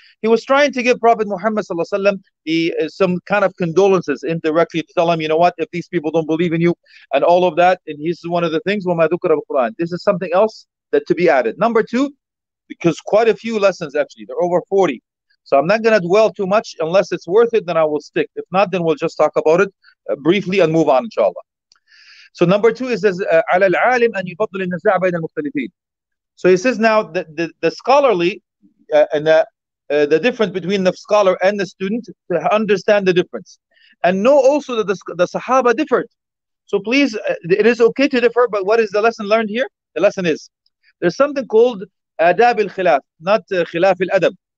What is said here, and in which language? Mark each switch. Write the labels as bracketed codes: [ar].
[en] He was trying to give Prophet Muhammad sallallahu alayhi wa sallam some kind of condolences indirectly to tell him, you know what, if these people don't believe in you and all of that. And he's one of the things, وَمَا ذُكْرَ بِالْقُرْآنِ. This is something else that to be added. Number two, because quite a few lessons actually, there are over 40. So I'm not going to dwell too much. Unless it's worth it, then I will stick. If not, then we'll just talk about it briefly and move on, inshallah. So number two, it says, [ar] عَلَى الْعَالِمِ أَنْ يُفَضْلِ النَّزَاعَ بَيْنَ الْمُخْتَلِفِينَ. [en] So he says now, the scholarly, the difference between the scholar and the student, to understand the difference. And know also that the Sahaba differed. So please, it is okay to differ, but what is the lesson learned here? The lesson is, there's something called أَدَابِ الْخِلَافِ, not خِلَافِ الْأَدَبِ.